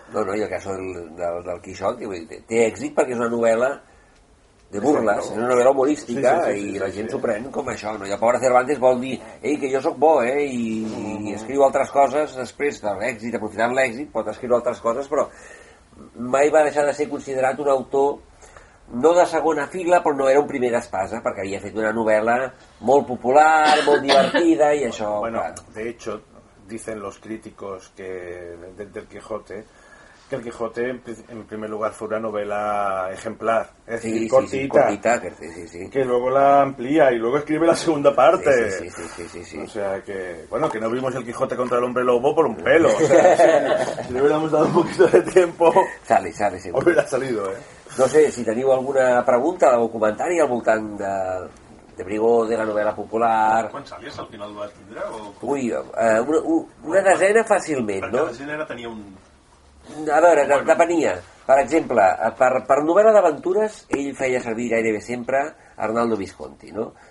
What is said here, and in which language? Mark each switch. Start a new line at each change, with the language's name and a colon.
Catalan: No, i el caso del Quixot, que té èxit perquè és una novel·la de burles, és una novel·la humorística, sí, la gent s'ho pren com això, no? I el pobre Cervantes vol dir, ei, que jo sóc bo, eh? I escriu altres coses després de l'èxit, aprofitant l'èxit, pot escriure altres coses, però mai va deixar de ser considerat un autor no de segona fila, però no era un primer espasa, perquè havia fet una novel·la molt popular, molt divertida, i això...
Spanish: Bueno, de hecho, dicen los críticos que del Quijote, que el Quijote en primer lugar fue una novela ejemplar, es decir, cortita, que luego la amplía y luego escribe la segunda parte. Sí. O sea que, bueno, que no vimos el Quijote contra el hombre lobo por un pelo. O sea, si le hubiéramos dado un poquito de tiempo, sale, sí. Hubiera salido, ¿eh?
Catalan: No sé si teniu alguna pregunta o comentari al voltant de Brigó, de la novel·la popular... Quan salies, al final ho vas tindre? O... Ui, una desena fàcilment, perquè no? Perquè la gènere tenia un... A veure, bueno. Depenia. Per exemple, per novel·la d'aventures, ell feia servir gairebé sempre Arnaldo Visconti, no?